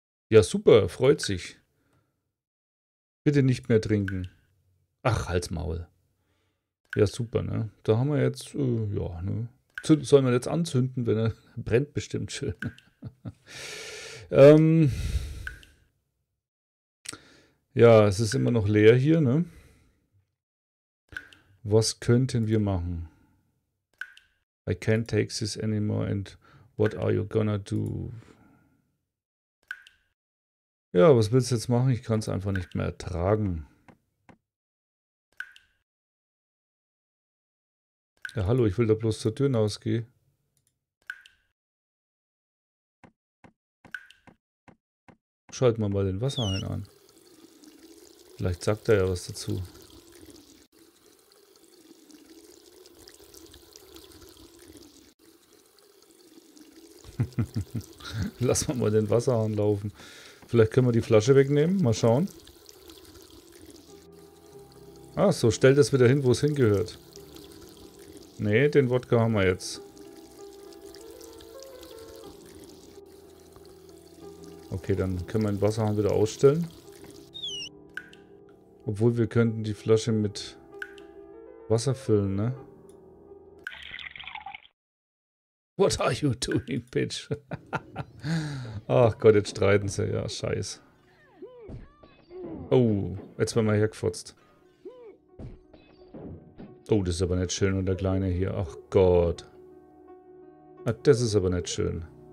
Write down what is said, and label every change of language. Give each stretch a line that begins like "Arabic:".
German: Ja, super, freut sich. Bitte nicht mehr trinken. Ach, halt's Maul. Ja, super, ne? Da haben wir jetzt, ne? Sollen wir jetzt anzünden, wenn er brennt bestimmt schön. Ja, es ist immer noch leer hier, ne? Was könnten wir machen?
English: I can't take this anymore and what are you gonna do?
German: Ja, was willst du jetzt machen? Ich kann es einfach nicht mehr ertragen. Ja, hallo, ich will da bloß zur Tür rausgehen. Schalten wir mal den Wasserhahn an. Vielleicht sagt er ja was dazu. Lass mal den Wasserhahn laufen. Vielleicht können wir die Flasche wegnehmen. Mal schauen. Ach so, stell das wieder hin, wo es hingehört. Nee, den Wodka haben wir jetzt. Okay, dann können wir den Wasserhahn wieder ausstellen. Obwohl, wir könnten die Flasche mit Wasser füllen, ne?
English: What are you doing, bitch?
German: Ach Gott, jetzt streiten sie. Ja, scheiß. Oh, jetzt werden wir hergefotzt. Oh, das ist aber nicht schön. Und der Kleine hier. Ach Gott. Das ist aber nicht schön.